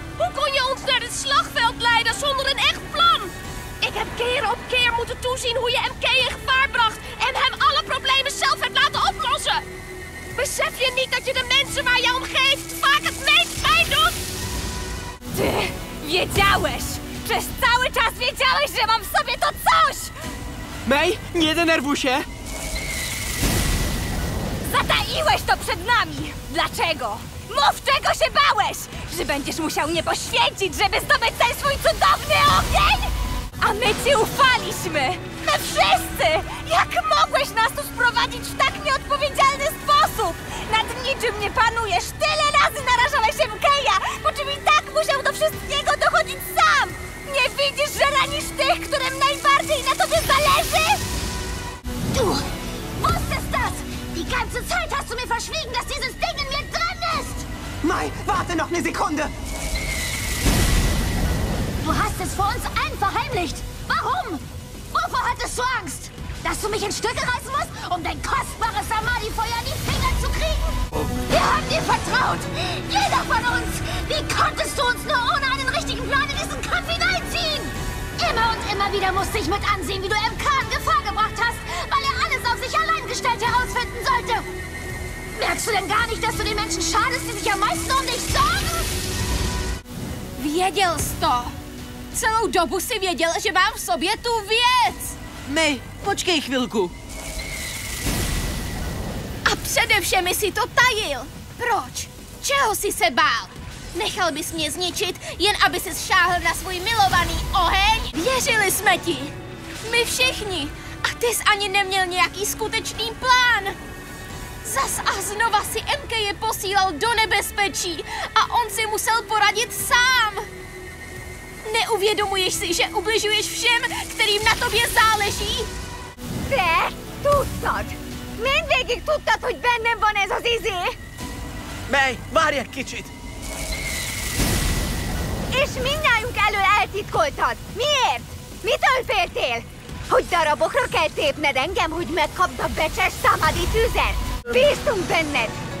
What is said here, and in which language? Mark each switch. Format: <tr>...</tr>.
<nl>Hoe kon je ons naar het slagveld leiden zonder een echt plan? Ik heb keer op keer moeten toezien hoe je MK in gevaar bracht en hem alle problemen zelf hebt laten oplossen. Besef je niet dat je de mensen waar je om geeft vaak het meest pijn doet?</nl> <pl>Ty, wiedziałeś. Przez cały czas wiedziałeś, że mam w sobie to coś! Mei, nie denerwuj się! Zataiłeś to przed nami! Dlaczego? Mów, czego się bałeś! Że będziesz musiał mnie poświęcić, żeby zdobyć ten swój cudowny ogień! A my ci ufaliśmy! My wszyscy! Jak mogłeś nas tu sprowadzić w tak nieodpowiedzialny sposób? Nad niczym nie panujesz! Tyle razy narażałeś MK-a, po czym i tak musiał do wszystkiego dochodzić sam! Nie widzisz, że ranisz tych, którym najbardziej na tobie zależy?</pl> <de>Du! Was ist das? Die ganze Zeit hast du mir verschwiegen, dass dieses Ding in mir drin ist! Mai, warte noch eine Sekunde! Du hast es vor uns allen verheimlicht! Warum? Wovor hattest du Angst? Dass du mich in Stücke reißen musst, um dein kostbares Samadhi-Feuer in die Finger zu kriegen? Wir haben dir vertraut! Jeder von uns! Wie konntest du uns nur ohne einen richtigen Plan in diesen Kampf hineinziehen? Immer und immer wieder musste ich mit ansehen, wie du MK in Gefahr gebracht hast, weil er alles auf sich allein gestellt herausfinden sollte! Merkst du denn gar nicht, dass du den Menschen schadest, die sich am meisten um dich sorgen?</de> <pl>Wiedziałeś to!</pl> <cs>Celou dobu si věděl, že mám v sobě tu věc! My, počkej chvilku. A především jsi to tajil. Proč? Čeho jsi se bál? Nechal bys mě zničit, jen aby ses šáhl na svůj milovaný oheň? Věřili jsme ti. My všichni. A ty jsi ani neměl nějaký skutečný plán. Zas a znova si MK je posílal do nebezpečí a on si musel poradit sám. Neuvědomuješ si, že ubližuješ všem, kterým na tobě záleží?</cs> <hu>Te, tudtad! Mindegyik tudtad, hogy bennem van ez az izé! Mej, várj egy kicsit! És mindnyájunk elől eltitkoltad! Miért? Mitől féltél? Hogy darabokra kell tépned engem, hogy megkapd a becses Samadhi tüzet? Bíztunk benned!</hu>